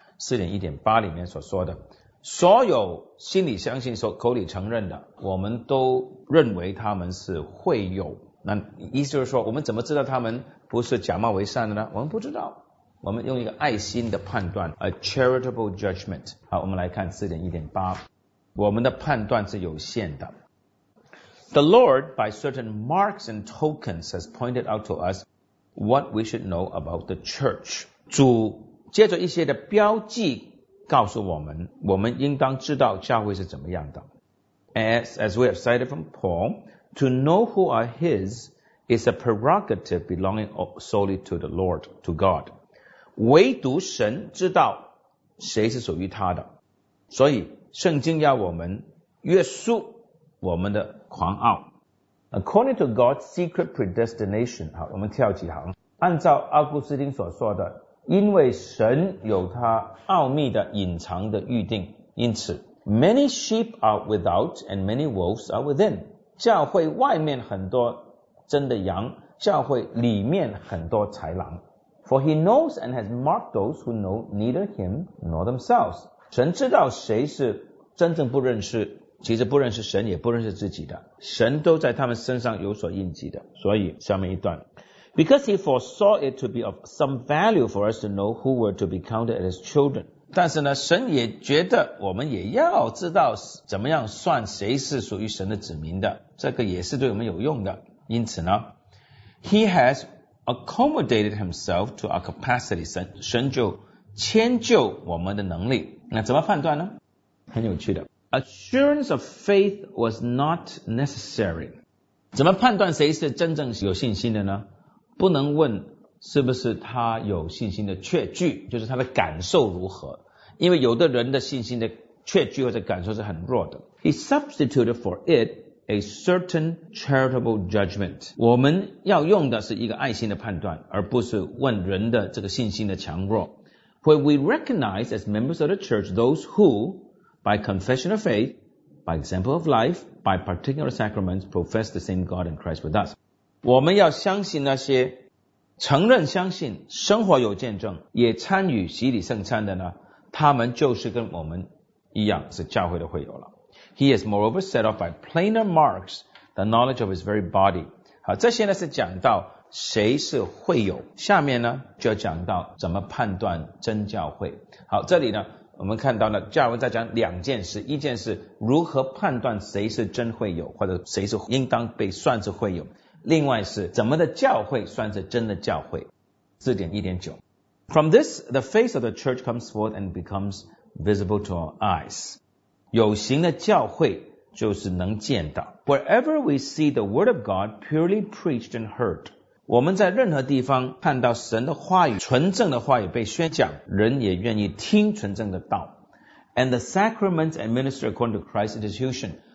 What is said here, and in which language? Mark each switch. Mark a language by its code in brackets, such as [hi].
[zh] 4.1.8 里面所说的，所有心里相信、所口里承认的，我们都认为他们是会有。那意思就是说，我们怎么知道他们不是假冒为善的呢？我们不知道。我们用一个爱心的判断 ， [en] a charitable judgment。 [zh] 好，我们来看 4.1.8， 我们的判断是有限的。 [en] The Lord, by certain marks and tokens, has pointed out to us what we should know about the church. [zh] 主借着一些的标记，告诉我们，我们应当知道教会是怎么样的。 [en] As we have cited from Paul, to know who are his is a prerogative belonging solely to the Lord, to God. [zh] 唯独神知道谁是属于他的。所以圣经要我们约束我们的狂傲。 [en] According to God's secret predestination, [zh] 好，我们跳几行。按照奥古斯丁所说的，因为神有他奥秘的隐藏的预定，因此 [en] Many sheep are without and many wolves are within. [zh] 教会外面很多真的羊，教会里面很多豺狼。 [en] For he knows and has marked those who know neither him nor themselves. [zh] 神知道谁是真正不认识，其实不认识神也不认识自己的，神都在他们身上有所印记的。所以下面一段， [en] Because he foresaw it to be of some value for us to know who were to be counted as his children. [zh] 但是呢，神也觉得我们也要知道怎么样算谁是属于神的子民的，这个也是对我们有用的。因此呢， [en] He has accommodated himself to our capacity. [zh] 神就迁就我们的能力。那怎么判断呢？很有趣的。 [en] Assurance of faith was not necessary. [zh] 怎么判断谁是真正有信心的呢？不能问是不是他有信心的确据，就是他的感受如何，因为有的人的信心的确据或者感受是很弱的。 [en] He substituted for it a certain charitable judgment. [zh] 我们要用的是一个爱心的判断，而不是问人的这个信心的强弱。 [en] When we recognize as members of the church those who, by confession of faith, by example of life, by particular sacraments, profess the same God and Christ with us. [zh] 我们要相信那些承认相信生活有见证也参与洗礼圣餐的呢，他们就是跟我们一样是教会的会友了。 [en] He is moreover set off by plainer marks the knowledge of his very body。 [zh] 好，这些呢是讲到谁是会友，下面呢就讲到怎么判断真教会。好，这里呢我们看到呢加尔文在讲两件事，一件是如何判断谁是真会友，或者谁是应当被算是会友，另外是怎么的教会算是真的教会。 [en] 4.1.9 From this the face of the church comes forth and becomes visible to our eyes。 [zh] 有形的教会就是能见到。 [en] Wherever we see the word of God purely preached and heard。 [zh] 我们在任何地方看到神的话语，纯正的话语被宣讲，人也愿意听纯正的道。 [en] And the sacraments administered according to Christ's institution。